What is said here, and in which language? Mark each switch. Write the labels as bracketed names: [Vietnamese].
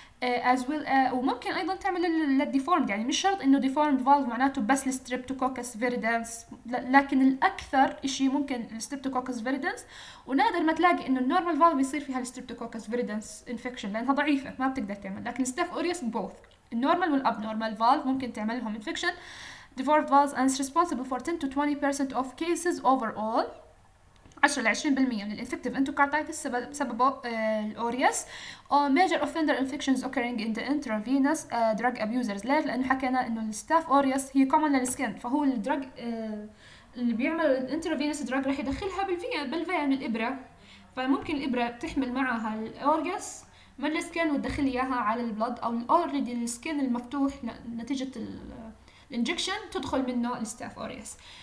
[English] as well [Arabic] وممكن ايضا تعمل الديفورمد، يعني مش شرط انه ديفورمد فالف معناته بس الستريبتوكوكس فيريدنس، لكن الاكثر شيء ممكن الستريبتوكوكس فيريدنس ونادر ما تلاقي انه النورمال فالف يصير فيها الستريبتوكوكس فيريدنس انفكشن لانها ضعيفه ما بتقدر تعمل، لكن ستاف اوريس بوث النورمال والابنورمال فالف ممكن تعمل لهم انفكشن. [English] Deformed valves are responsible for 10-20% of cases overall. [Arabic] 10-20% من الانفكتيف انتوكارديتس سببه الاوريس. [English] Major offender infections occurring in the intravenous drug abusers. [Arabic] ليه؟ لانه حكينا انه الستاف اوريس هي common للسكن، فهو الدرج اللي بيعمل الانتروفينوس دراج راح يدخلها بالفين الابره، فممكن الابره تحمل معها الاوريس من السكن وتدخل اياها على البلد او الاوريدي السكن المفتوح نتيجه الانجكشن تدخل منه الستاف اوريس.